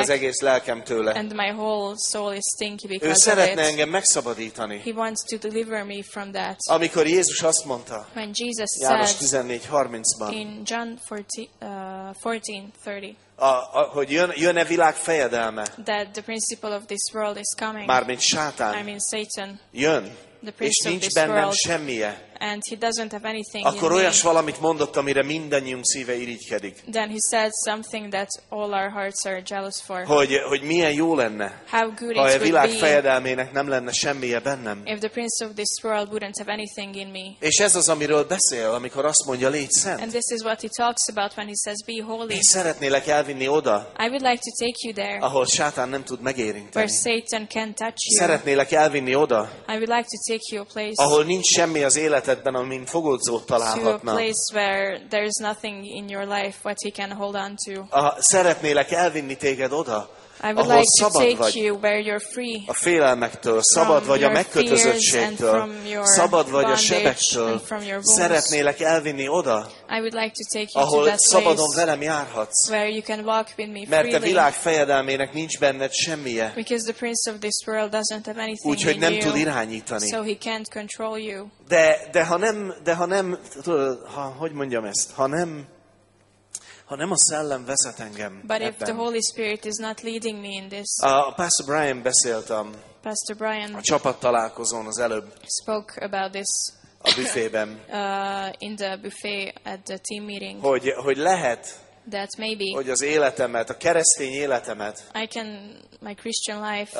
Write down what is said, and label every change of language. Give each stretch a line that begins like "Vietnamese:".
Hungarian: az egész lelkem tőle.
English: And my whole soul is stinky because
Hungarian: ő szeretne
English: of it.
Hungarian: Engem megszabadítani.
English: He wants to deliver me from that.
Hungarian: Amikor Jézus azt mondta.
English: When Jesus
Hungarian: János 14:30-ban.
English: In John 14:30.
Hungarian: Hogy jön-e világ fejedelme?
English: That the principle of this world is coming.
Hungarian: Mármint Sátán.
English: I mean Satan.
Hungarian: Jön.
English: The principle
Hungarian: és nincs
English: of this
Hungarian: bennem
English: world.
Hungarian: Semmije.
English: And he doesn't have anything.
Hungarian: Akkor olyas valamit mondott, amire mindannyiunk szíve irigykedik.
English: Then he said something that all our hearts are jealous for.
Hungarian: Hogy milyen jó lenne.
English: How good it
Hungarian: ha
English: would
Hungarian: a világ
English: be
Hungarian: fejedelmének nem lenne semmije bennem.
English: If the prince of this world wouldn't have anything in me.
Hungarian: És ez az, amiről beszél, amikor azt mondja, légy szent.
English: And this is what he talks about when he says be holy.
Hungarian: Én szeretnélek elvinni oda.
English: I would like to take you there.
Hungarian: Ahol Sátán nem tud megérinteni.
English: Where Satan can't touch you.
Hungarian: Szeretnélek elvinni oda.
English: I would like to take you a place.
Hungarian: Ahol nincs semmi az élet ebben, amin fogódzót találhatna.
English: To a place where there is nothing in your life what he can hold on to.
Hungarian: Szeretnélek elvinni téged oda,
English: I would
Hungarian: ahol
English: like
Hungarian: szabad
English: to take You where you're free.
Hungarian: A félelmektől, szabad
English: from
Hungarian: vagy a megkötözöttségtől, szabad vagy a sebektől. Szeretnélek elvinni oda,
English: I would like to take you
Hungarian: ahol
English: to that
Hungarian: szabadon
English: place
Hungarian: velem járhatsz.
English: Where you can walk with me
Hungarian: mert a világ fejedelmének nincs benned semmije.
English: Because the prince of this world doesn't have anything
Hungarian: úgy, hogy
English: in
Hungarian: nem
English: you,
Hungarian: tud irányítani.
English: So he can't control you.
Hungarian: De ha nem, tudod, ha, hogy mondjam ezt, ha nem a szellem vezet engem
English: but
Hungarian: ebben.
English: If the Holy Spirit is not leading me in this.
Hungarian: Pastor Brian beszéltem.
English: Pastor Brian.
Hungarian: A csapat találkozón az előbb.
English: Spoke about this.
Hungarian: A büfében.
English: In the buffet at the team meeting.
Hungarian: Hogy lehet.
English: That maybe.
Hungarian: Hogy az életemet, a keresztény életemet.
English: I can my Christian life.